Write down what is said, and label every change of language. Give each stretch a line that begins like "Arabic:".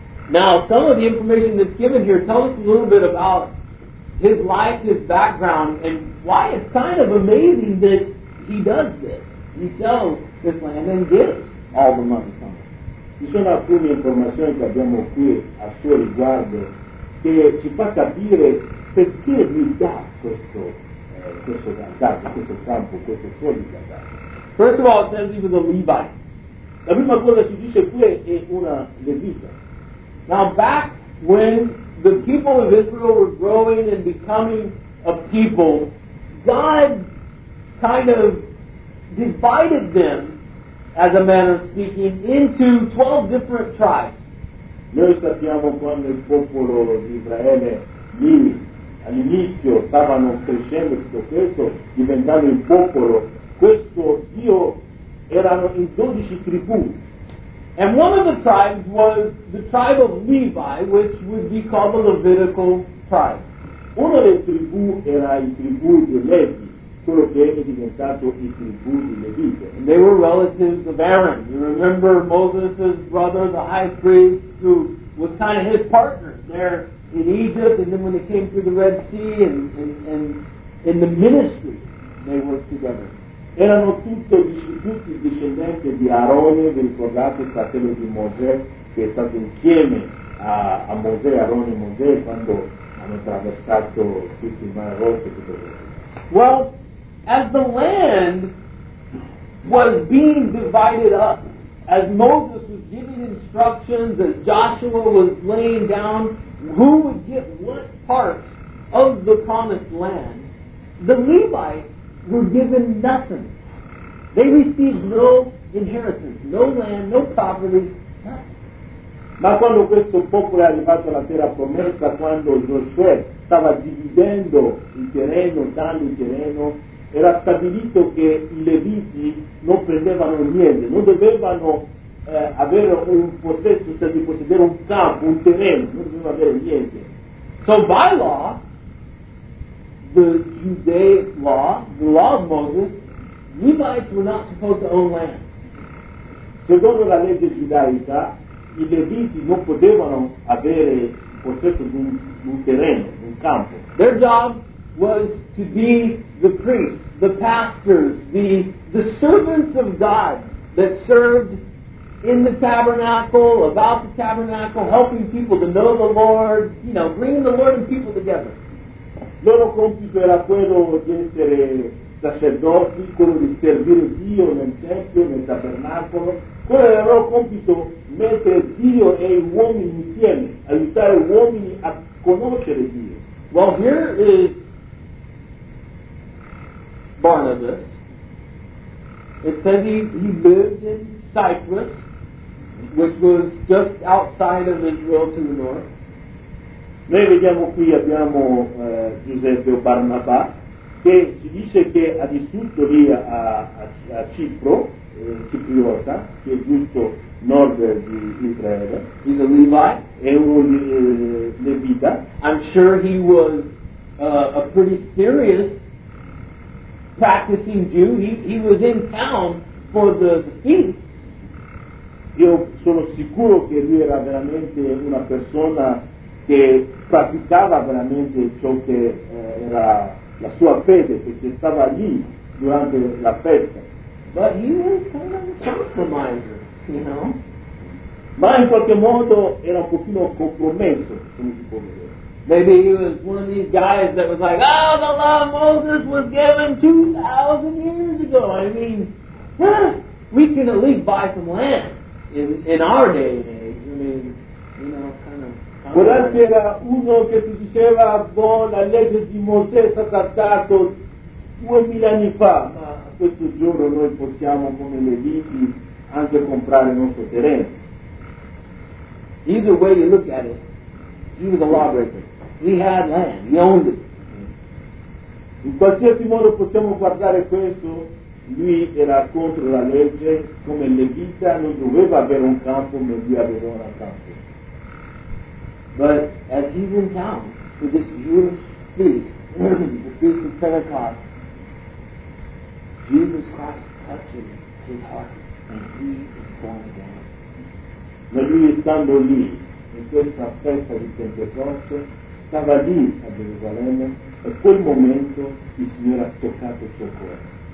English: Now, some of the information that's given here, tell us a little bit about his life, his background, and why it's kind of amazing that he does this. He sells this land and gives all the money from it.
Italian: Ci sono alcune informazioni che abbiamo qui a suo riguardo che ci fa capire perché lui dà questo campo, questo fuori di campo.
English: First of all, it says he was a Levite.
Italian: La prima cosa ci dice qui è una levita.
English: Now, back when the people of Israel were growing and becoming a people, God kind of divided them, as a manner of speaking, into 12 different tribes.
Italian: Noi sappiamo quando il popolo di Israele lì all'inizio stavano crescendo tutto questo, diventando il popolo, questo Dio erano in 12 tribù.
English: And one of the tribes was the tribe of Levi, which would be called the Levitical tribe.
Italian: Una delle tribù era il tribù di Levi, quello che è diventato il tribù di Levi.
English: And they were relatives of Aaron. You remember Moses' brother, the high priest, who was kind of his partner there in Egypt, and then when they came through the Red Sea and in the ministry, they worked together.
Italian: Erano tutti discendenti di Aarone, vi ricordate il fratello di Mosè, che è stato insieme a Mosè, Aarone e Mosè, quando hanno attraversato tutti i Mar Rosso e tutto questo.
English: Well, as the land was being divided up, as Moses was giving instructions, as Joshua was laying down who would get what part of the promised land, the Levites were given nothing. They received no inheritance, no land, no property, nothing.
Italian: Ma quando questo popolo è arrivato alla terra promessa, quando Giosuè stava dividendo il terreno, dando il terreno, era stabilito che i Leviti non prendevano niente, non dovevano avere un possesso, cioè di possedere un campo, un terreno, non dovevano avere niente.
English: So by law, the Judaic law, the law of Moses, Levites were not supposed to own land.
Italian: Secondo la legge giudaica, i Leviti non potevano avere possesso di un terreno, un campo.
English: Their job was to be the priests, the pastors, the servants of God that served in the tabernacle, about the tabernacle, helping people to know the Lord, you know, bringing the Lord and people together.
Italian: Loro compito era quello di essere sacerdoti, quello di servire Dio nel tempio, nel tabernacolo. Quello era il loro compito, mettere Dio e gli uomini insieme, aiutare gli uomini a conoscere Dio.
English: Well, here is Barnabas. It says he lived in Cyprus, which was just outside of Israel to the north.
Italian: Noi vediamo qui, abbiamo Giuseppe Barnabà, che si dice che ha vissuto lì a Cipro, cipriota, che è giusto nord di Israele.
English: He's a Levite.
Italian: È un levita.
English: I'm sure he was a pretty serious practicing Jew. He was in town for the feast.
Italian: Io sono sicuro che lui era veramente una persona che praticava veramente ciò che era la sua fede, perché stava lì durante la festa.
English: But he was kind of a compromiser, you know?
Italian: Ma in qualche modo era un pochino compromesso, come si può vedere.
English: Maybe he was one of these guys that was like, oh, the law of Moses was given 2,000 years ago. I mean, we can at least buy some land in our day and age. I mean, you know, kind of.
Italian: Vorrà che era uno che ti diceva, boh, la legge di Mosè è stata data 2000 anni fa, ma a questo giorno noi possiamo, come leviti, anche comprare il nostro terreno.
English: Either way you look at it, he was a lawbreaker. He had land. He owned it.
Spanish: En cualquier modo podemos guardar el peso.
Italian: Lui era contre la legge, come levita non doveva avere un campo, ma lui aveva un campo.
English: But as he went down to this Jewish feast, the feast of Pentecost, Jesus Christ touches his heart and he is born again.
Italian: Ma lui stando lì, in questa festa di Pentecoste, stava lì a Gerusalemme, a quel momento il Signore ha toccato il suo cuore.